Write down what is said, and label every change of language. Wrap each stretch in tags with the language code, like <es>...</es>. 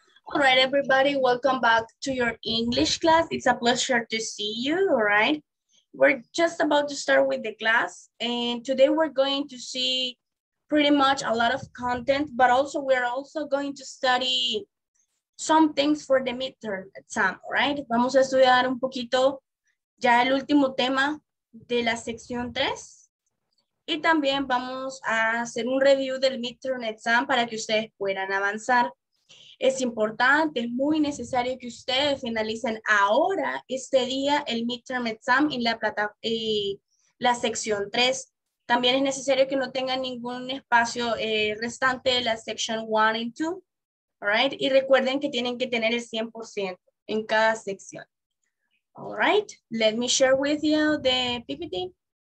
<en>All right, everybody, welcome back to your English class. It's a pleasure to see you, all right? We're just about to start with the class, and today we're going to see pretty much a lot of content, but also we're also going to study some things for the midterm exam, right?</en> <es>Vamos a estudiar un poquito ya el último tema de la sección 3. Y también vamos a hacer un review del midterm exam para que ustedes puedan avanzar. Es importante, es muy necesario que ustedes finalicen ahora este día el midterm exam en la sección 3. También es necesario que no tengan ningún espacio restante de la</es> <en>section 1 and 2.</en> <es>Right? Y recuerden que tienen que tener el 100% en cada sección.</es> <en>All right, let me share with you the PPT.</en>